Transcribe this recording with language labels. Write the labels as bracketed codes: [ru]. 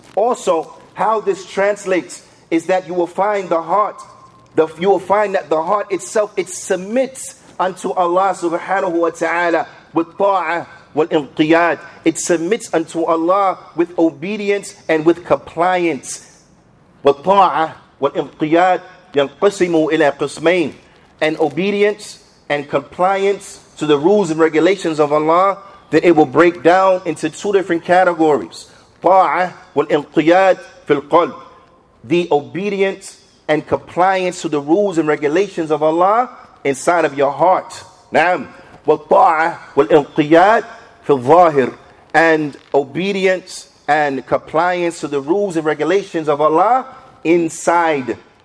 [en] Also, how this translates is that you will find the heart, you will find that the heart itself, it submits unto Allah subhanahu wa ta'ala with ta'a. [ar] والانقياد. [en] It submits unto Allah with obedience and with compliance. [ar] والطاعة والانقياد ينقسم إلى قسمين. [en] And obedience and compliance to the rules and regulations of Allah, then it will break down into two different categories. [ar] طاعة والانقياد في القلب. [en] The obedience and compliance to the rules and regulations of Allah inside of your heart. [ar] نعم. والطاعة والانقياد الظاهر, [en] and obedience and compliance to the rules and regulations of Allah inside.